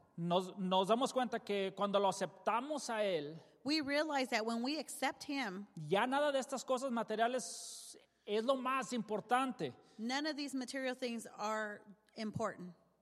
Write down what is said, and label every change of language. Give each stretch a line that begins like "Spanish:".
Spanish: Nos damos cuenta que cuando lo aceptamos a él,
English: we realize that when we accept him,
Spanish: ya nada de estas cosas materiales es lo más importante.
English: None of these material things are important.